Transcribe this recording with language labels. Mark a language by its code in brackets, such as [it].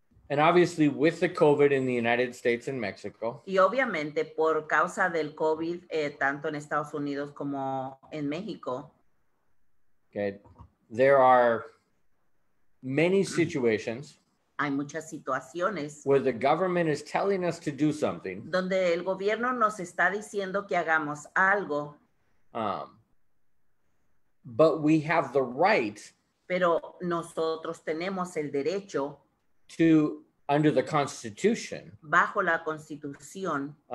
[en] And obviously with the COVID in the United States and Mexico. [es] Y obviamente por causa del COVID, tanto en Estados Unidos como en México. [en] Okay. There are many situations. [es] Hay muchas situaciones. [en] Where the government is telling us to do something. [es] Donde el gobierno nos está diciendo que hagamos algo. [en] But we have the right. [es] Pero nosotros tenemos el derecho. [en] To, under the Constitution, [es] bajo la Constitución,